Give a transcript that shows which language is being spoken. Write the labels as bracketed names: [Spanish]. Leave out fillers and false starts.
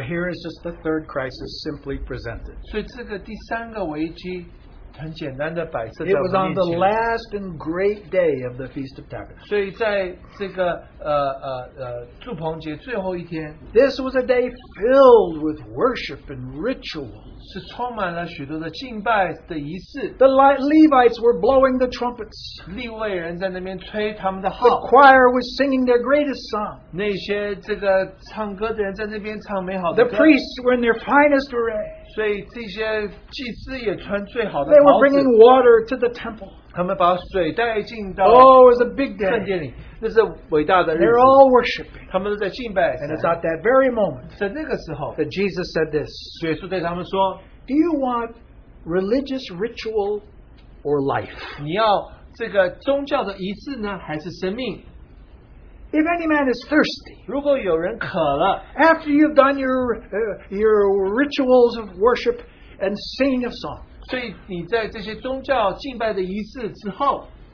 [English] here is just the third crisis simply presented. [Chinese] 所以这个第三个危机, [English] it was on the last and great day of the Feast of Tabernacles. [Chinese] 所以在这个, 祝棚节最后一天, [English] this was a day filled with worship and ritual. [Chinese] 是充满了许多的敬拜的仪式。 [English] The Levites were blowing the trumpets. [Chinese] 立位人在那边吹他们的号。 [English] The choir was singing their greatest song. [Chinese] 那些这个唱歌的人在那边唱美好的歌。 [English] The priests were in their finest array. They were bringing water to the temple. Oh, it was a big day. They're all worshiping. [Chinese] 他们都在敬拜, [English] and it's at that very moment [Chinese] 在那个时候, [English] that Jesus said this. [Chinese] 耶稣对他们说, [English] do you want religious ritual or life? [Chinese] 你要这个宗教的仪式呢,还是生命? [English] If any man is thirsty, [Chinese] 如果有人渴了, [English] after you've done your rituals of worship and singing of songs, [Chinese] 所以你在这些宗教敬拜的仪式之后,